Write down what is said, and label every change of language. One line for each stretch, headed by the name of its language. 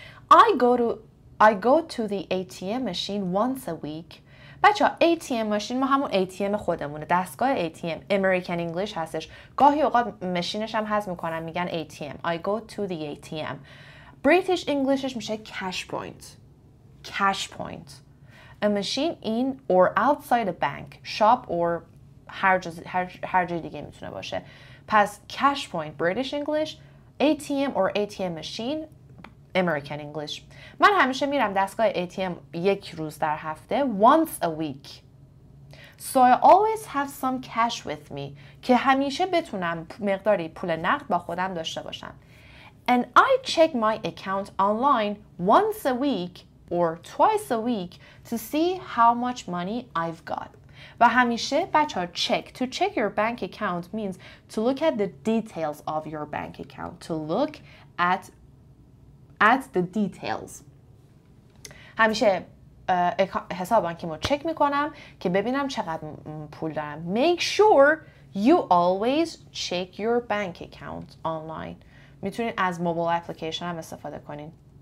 English: I go to the ATM machine once a week.
Persian: بچه ها ATM ماشین ما همون ATM خودمونه. دستگاه ATM.
English: American English
Persian: هستش. گاهی اوقات ماشینش هم هضم میکنن میگن ATM.
English: I go to the ATM. British Englishش
Persian: میشه
English: cash point. Cash point. A machine in or outside a bank, shop or
Persian: هر جای دیگه میتونه باشه.
English: پس cash point, British English, ATM or ATM machine, American English.
Persian: من همیشه میرم دستگاه ATM یک روز در هفته,
English: once a week. So I always have some cash with me,
Persian: که همیشه بتونم مقداری پول نقد با خودم داشته باشم.
English: And I check my account online once a week, or twice a week to see how much money I've got.
Persian: و همیشه بچه ها check.
English: To check your bank account means to look at the details of your bank account. To look at the details.
Persian: همیشه حساب بانکیمو check میکنم که ببینم چقدر پول دارم.
English: Make sure you always check your bank account online.
Persian: میتونین از موبایل اپلیکیشن هم استفاده کنین.